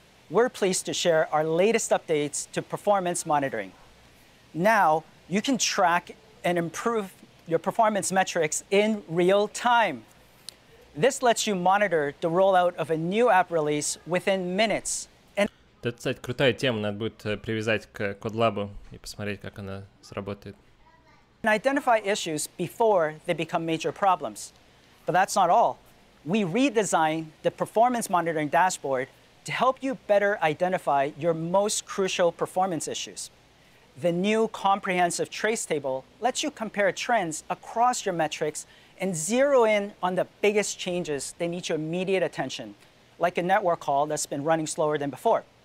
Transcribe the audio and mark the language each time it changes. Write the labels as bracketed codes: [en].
[en] We're pleased to share our latest updates to performance monitoring. Now, you can track and improve your performance metrics in real time. This lets you monitor the rollout of a new app release within minutes. [ru] Это, кстати, крутая тема. Надо будет привязать к Кодлабу и посмотреть, как она сработает. [en] And identify issues before they become major problems. But that's not all. We redesigned the performance monitoring dashboard to help you better identify your most crucial performance issues. The new comprehensive trace table lets you compare trends across your metrics and zero in on the biggest changes that need your immediate attention, like a network call that's been running slower than before.